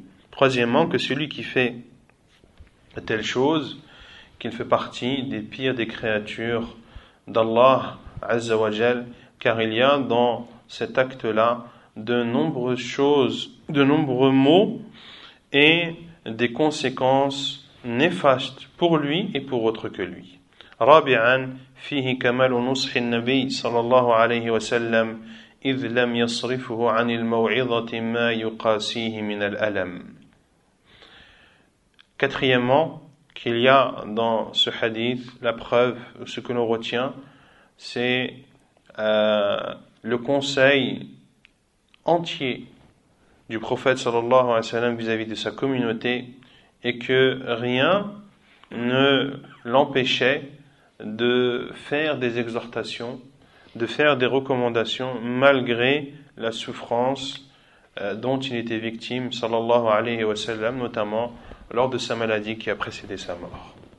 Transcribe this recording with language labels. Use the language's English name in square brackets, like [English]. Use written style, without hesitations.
[French] Troisièmement, que celui qui fait telle chose, qu'il fait partie des pires des créatures d'Allah Azza wa Jal, car il y a dans cet acte-là de nombreuses choses, de nombreux maux et des conséquences néfastes pour lui et pour autre que lui. [Arabic] Rabi'an, fihi kamal nushi an-nabi sallallahu alayhi wa sallam. إذ لم يصرفه عن الموعظة ما يقاسيه من الألم. [French] Quatrièmement, qu'il y a dans ce hadith la preuve, ce que l'on retient, c'est le conseil entier du prophète sallallahu alayhi wa sallam vis-à-vis de sa communauté et que rien ne l'empêchait de faire des exhortations, de faire des recommandations malgré la souffrance dont il était victime, sallallahu alayhi wa sallam, notamment lors de sa maladie qui a précédé sa mort.